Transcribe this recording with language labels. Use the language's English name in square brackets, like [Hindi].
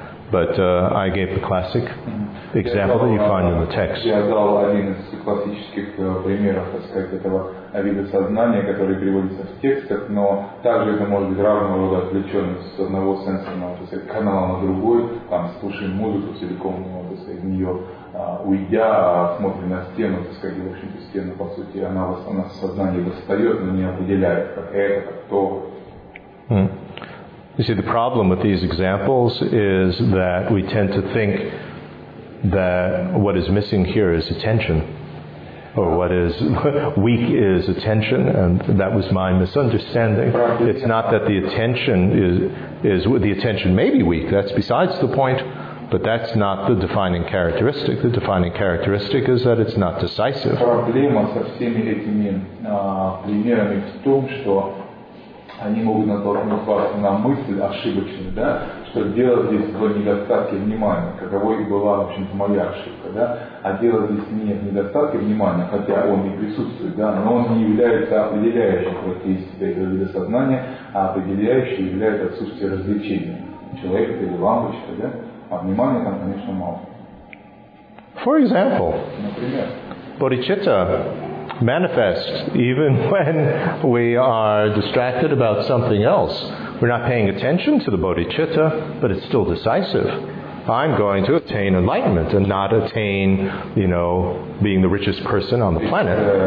[English] But I gave the classic example that you find in the text. [Russian] Я дал один из классических примеров, так сказать, этого вида сознания, который приводится в текстах, но также это может быть разного рода отвлеченность с одного сенсорного, так сказать, канала на другой, там, слушаем музыку целиком, так сказать, в нее уйдя, смотрим на стену, так сказать, в общем-то, стену, по сути, она в сознании восстает, но не определяет, как это, как то. [English] You see, the problem with these examples is that we tend to think that what is missing here is attention. or what is weak is attention, and that was my misunderstanding. It's not that the attention is the attention may be weak, that's besides the point, but that's not the defining characteristic. The defining characteristic is that it's not decisive. [Russian] Проблема со всеми этими примерами в том, что они могут натолкнуть вас на мысль ошибочную, да, что дело здесь в недостатке внимания, каково и была, в общем-то, моя ошибка, да, а дело здесь не в недостатке внимания, хотя он и присутствует, да, но он не является определяющим в процессе этого вида сознания, а определяющим является отсутствие развлечения. Человек это или лампочка, да, а внимания там, конечно, мало. [English] For example, [Russian] например, [English] bodhicitta manifests even when we are distracted about something else. We're not paying attention to the bodhicitta, but it's still decisive. I'm going to attain enlightenment and not attain, you know, being the richest person on the planet.